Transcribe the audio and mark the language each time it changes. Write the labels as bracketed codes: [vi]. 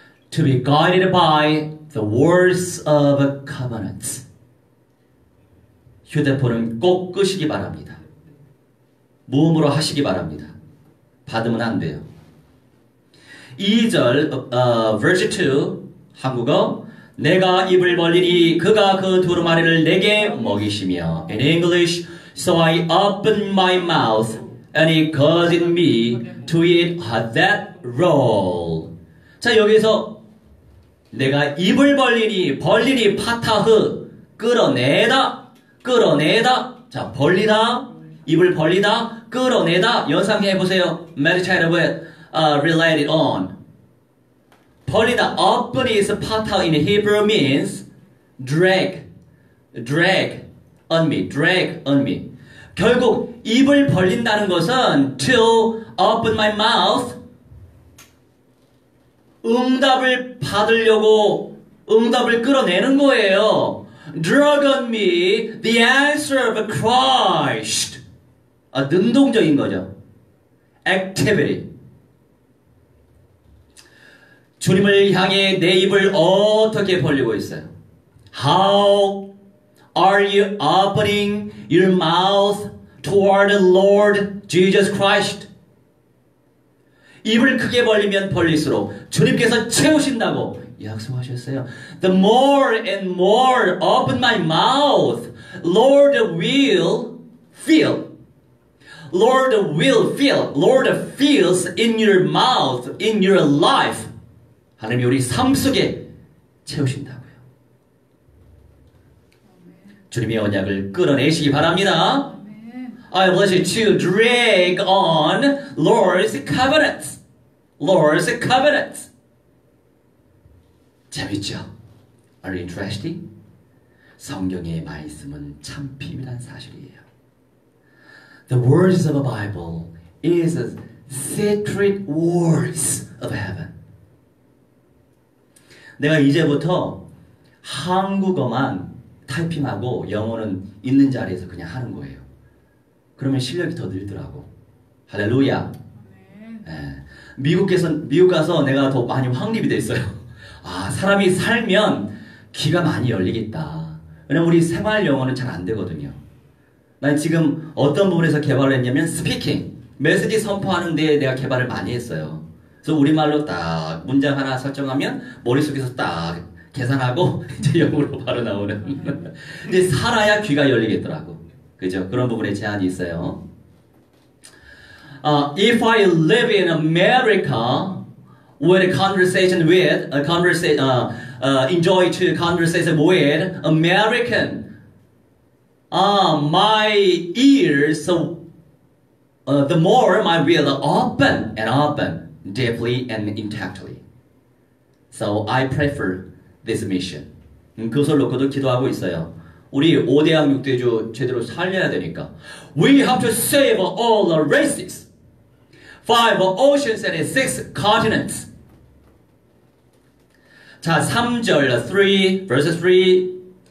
[en] To be guided by the words of covenants. [ko] 휴대폰은 꼭 끄시기 바랍니다. 무음으로 하시기 바랍니다. 받으면 안 돼요. 2절, [en] verse 2, [ko] 한국어. 내가 입을 벌리니 그가 그 두루마리를 내게 먹이시며. [en] In English, so I open my mouth and he causes me to eat that roll. [ko] 자, 여기서 내가 입을 벌리니 파타흐 끌어내다 자 벌리다 입을 벌리다 끌어내다 연상해 보세요. [en] Meditate with related on 벌리다 open is patah in Hebrew means drag on me [ko] 결국 입을 벌린다는 것은 [en] to open my mouth [ko] 응답을 받으려고 응답을 끌어내는 거예요. [en] Drag on me the answer of Christ. [ko] 아, 능동적인 거죠. [en] Activity. [ko] 주님을 향해 내 입을 어떻게 벌리고 있어요? [en] How are you opening your mouth toward the Lord Jesus Christ? [ko] 입을 크게 벌리면 벌릴수록 주님께서 채우신다고 약속하셨어요. [en] The more and more open my mouth, Lord will fill. Lord will fill. Lord fills in your mouth, in your life. [ko] 하나님이 우리 삶 속에 채우신다고요. 주님의 언약을 끌어내시기 바랍니다. [en] I bless you to drag on Lord's covenants. Lord's covenant. [ko] 재밌죠? [en] Are you interesting? [ko] 성경의 말씀은 참 비밀한 사실이에요. [en] The words of the Bible is the secret words of heaven. [ko] 내가 이제부터 한국어만 타이핑하고 영어는 있는 자리에서 그냥 하는 거예요. 그러면 실력이 더 늘더라고. 할렐루야. 네. 미국 가서 내가 더 많이 확립이 됐어요. 아, 사람이 살면 귀가 많이 열리겠다. 왜냐면 우리 생활 영어는 잘 안 되거든요. 난 지금 어떤 부분에서 개발을 했냐면 스피킹, 메시지 선포하는 데 내가 개발을 많이 했어요. 그래서 우리말로 딱 문장 하나 설정하면 머릿속에서 딱 계산하고 이제 영어로 바로 나오는. 근데 살아야 귀가 열리겠더라고. 그죠? 그런 부분에 제한이 있어요. [en] If I live in America with a conversation with a conversation enjoy to conversation with American My ears, the more my will open and open deeply and intactly. So I prefer this mission. [ko] 그것을 놓고도 기도하고 있어요. 우리 5대양 6대조 제대로 살려야 되니까. [en] We have to save all the races. 5 oceans and 6 continents. [ko] 자, 3절, 3, [en] verse 3.